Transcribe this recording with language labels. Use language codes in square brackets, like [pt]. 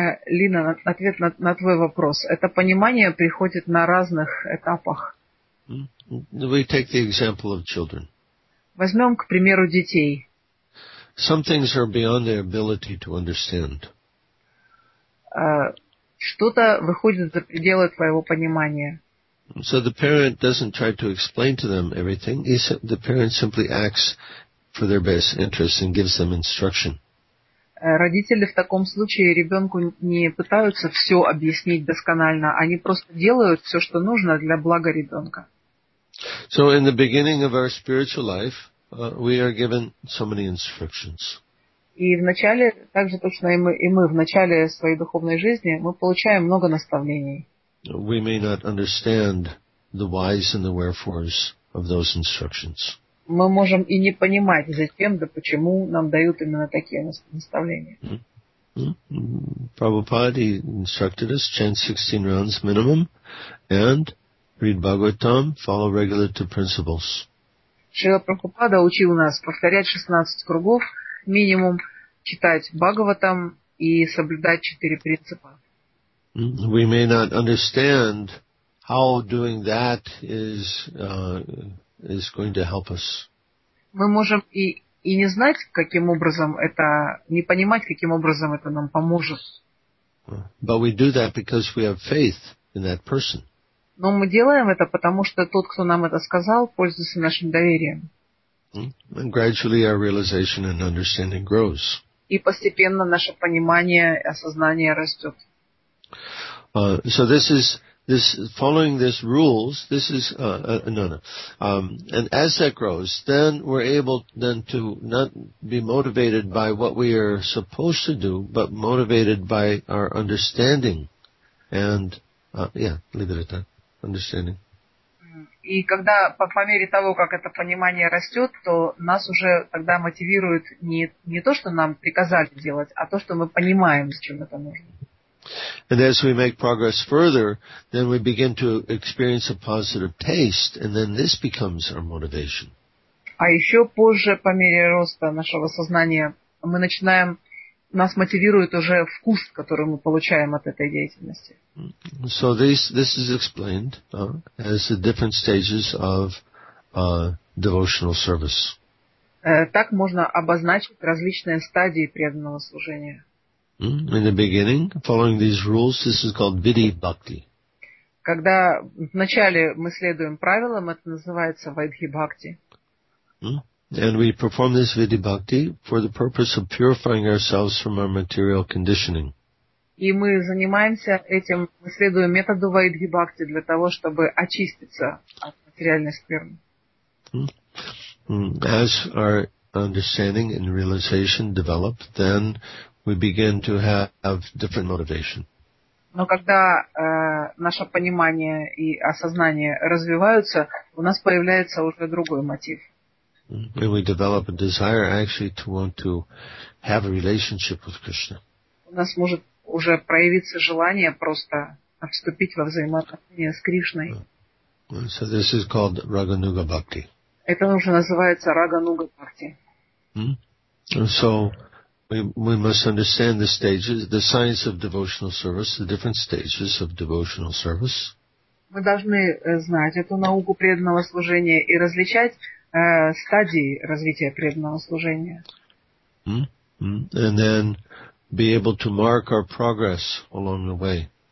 [ru] Лина, ответ на твой вопрос. Это понимание приходит на разных этапах. [en] We take the example of children. [ru] Возьмем, к примеру, детей. [en] Some things are beyond their ability to understand. [ru] Что-то выходит за пределы твоего понимания. [en] So the parent doesn't try to explain to them everything. The parent simply acts for their best interests and gives them instruction. [ru] Родители в таком случае ребенку не пытаются все объяснить досконально. Они просто делают все, что нужно для блага ребенка. [en] So in the beginning of our spiritual life, we are given so many instructions. [ru] И в начале, также точно и мы в начале своей духовной жизни, мы получаем много наставлений. [en] We may not understand the whys and the wherefores of those instructions. [ru] Мы можем и не понимать, зачем да почему нам дают именно такие наставления. [en] Prabhupada instructed us, chant 16 rounds minimum, and read Bhagavatam, follow regulative principles. [ru] Шрила Прабхупада учил нас повторять 16 кругов минимум, читать Бхагаватам и соблюдать 4 принципа. [en] We may not understand how doing that is going to help us. [ru] Мы можем и не знать, каким образом это, не понимать, каким образом это нам поможет. [en] But we do that because we have faith in that person. [ru] Но мы делаем это, потому что тот, кто нам это сказал, пользуется нашим доверием. [en] And gradually our realization and understanding grows. [ru] И постепенно наше понимание и осознание растет. [en] So this is this following these rules, this is and as that grows, then we're able then to not be motivated by what we are supposed to do, but motivated by our understanding. And leave it at that. Understanding. [ru] И когда по мере того, как это понимание растет, то нас уже тогда мотивирует не то, что нам приказали делать, а то, что мы понимаем, с чем это нужно. [en] And as we make progress further, then we begin to experience a positive taste, and then this becomes our motivation. [ru] А еще позже, по мере роста нашего сознания, мы начинаем, нас мотивирует уже вкус, который мы получаем от этой деятельности. [en] So this is explained as the different stages of devotional service. [ru] Так можно обозначить различные стадии преданного служения. [en] In the beginning, following these rules, this is called vidhi bhakti. [ru] Когда вначале мы следуем правилам, это называется vidhi bhakti. [en] And we perform this vidhi bhakti for the purpose of purifying ourselves from our material conditioning. [ru] И мы занимаемся этим, мы следуем методу vidhi bhakti для того, чтобы очиститься от материальной скверны. [en] As our understanding and realization develop, then we begin to have different motivation. [ru] Но когда наше понимание и осознание развиваются, у нас появляется уже другой мотив. [en] When we develop a desire actually to want to have a relationship with Krishna. [ru] У нас может уже проявиться желание просто вступить во взаимоотношения с Кришной. [en] So this is called Raganuga Bhakti. [ru] Это уже называется Рагануга Бхакти. [en] So we must understand the stages, the science of devotional service, the different stages of devotional service. [ru] Мы должны знать эту науку преданного служения и различать стадии развития преданного служения. [en] And then be able to mark our progress along the way.